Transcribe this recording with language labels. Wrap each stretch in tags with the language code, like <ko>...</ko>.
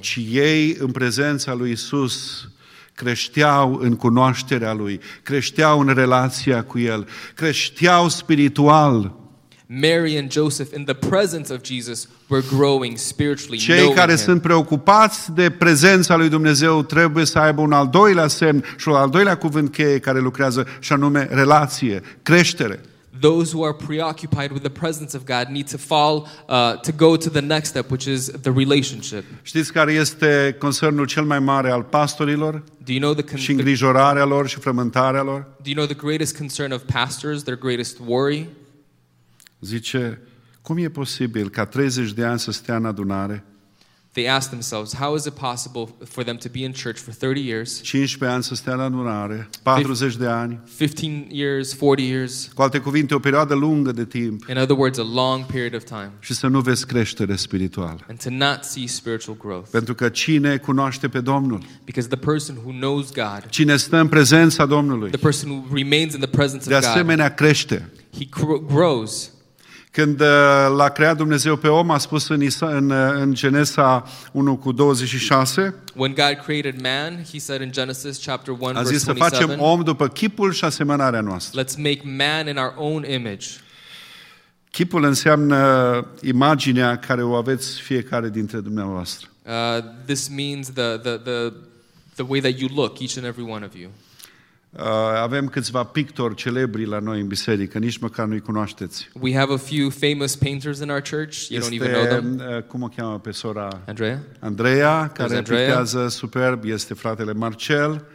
<ro>Ci ei în prezența lui Isus creșteau în cunoașterea lui, creșteau în relația cu el, creșteau spiritual.</ro> <en>Mary and Joseph in the presence of Jesus were growing spiritually.</en> <ro>Cei care</ro> <en>him.</en> <ro>Sunt preocupați de prezența lui Dumnezeu trebuie să aibă un al doilea semn și un al doilea cuvânt cheie care lucrează, și anume relație, creștere.</ro> <en>Those who are preoccupied with the presence of God need to go to the next step, which is the relationship.</en> <ro>Știți care este concernul cel mai mare al pastorilor?</ro> <en>Do you know the</en> <ro>și îngrijorarea lor și frământarea lor?</ro> <en>Do you know the greatest concern of pastors, their greatest worry?</en> <ro>Zice, cum e posibil ca 30 de ani să stea în adunare?</ro> <en>They ask themselves, how is it possible for them to be in church for 30 years?</en> <ro>15 ani să stea în adunare, 40 de ani.</ro> <en>15 years, 40 years.</en> <ro>Cu alte cuvinte, o perioadă lungă de timp.</ro> <en>In other words, a long period of time.</en> <ro>Și să nu vezi creștere spirituală.</ro> <en>And to not see spiritual growth.</en> <ro>Pentru că cine cunoaște pe Domnul?</ro> <en>Because the person who knows God.</en> <ro>Cine stă în prezența Domnului?</ro> <en>The person who remains in the presence of God.</en> <ro>De asemenea crește.</ro> <en>He grows.</en> <ro>Când l-a creat Dumnezeu pe om, a spus în Genesa 1 cu 26.</ro> <en>When God created man, he said in Genesis chapter 1 verse 27.</en> <ro>A zis să facem om după chipul și asemănarea noastră.</ro> <en>Let's make man in our own image.</en> <ro>Chipul înseamnă imaginea care o aveți fiecare dintre dumneavoastră.</ro> <en>This means the way that you look, each and every one of you.</en> <ro>Avem câțiva pictori celebri la noi în biserică, nici măcar nu-i cunoașteți.</ro> <en>We have a few famous painters in our church. You</en> <ro>este,</ro> <en>don't even know them.</en> <ro>Cum o cheamă pe sora? Andrea. Andrea, care pictează superb, este fratele Marcel.</ro>